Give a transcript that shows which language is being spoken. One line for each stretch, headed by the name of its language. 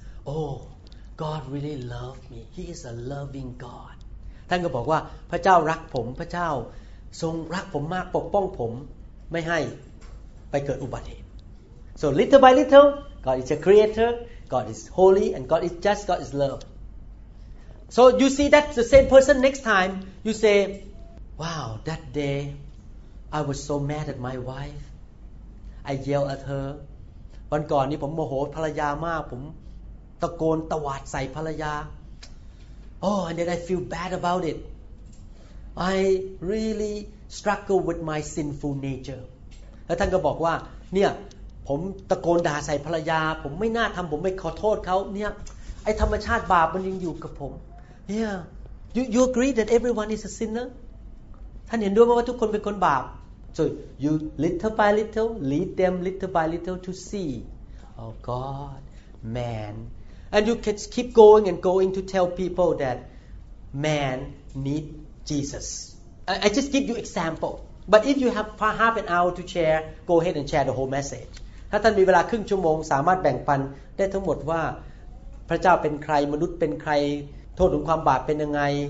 English: Oh God really loved me He is a loving God
Thai: ท่านก็บอกว่าพระเจ้ารักผมพระเจ้าทรงรักผมมากปกป้องผมไม่ให้ไปเกิดอุบัติเหตุ
English: So little by little God is a creator God is holy and God is just God is love So you see that the same person next time you say Wow that dayI was so mad at my wife. I yelled at her.
Thai: วันก่อนนี้ผมโมโหภรรยามากผมตะโกนตวาดใส่ภรรยา
English: Oh, and then I feel bad about it. I really struggle with my sinful nature.
Thai: แล้วท่านก็บอกว่าเนี่ยผมตะโกนด่าใส่ภรรยาผมไม่น่าทำผมไม่ขอโทษเขาเนี่ยไอ้ธรรมชาติบาปมันยังอยู่กับผม
English: Yeah, you agree that everyone is a sinner? ท่านเห็นด้วยไหมว่าทุกคนเป็นคนบาป so you little by little lead them little by little to see oh God man and you can keep going and going to tell people that man need Jesus I just give you example but if you have half an hour to share go ahead and share the whole message
Thai: ถ้าท่านมีเวลาครึ่งชั่วโมงสามารถแบ่งปันได้ทั้งหมดว่าพระเจ้าเป็นใครมนุษย์เป็นใครโทษของความบาปเป็นยังไง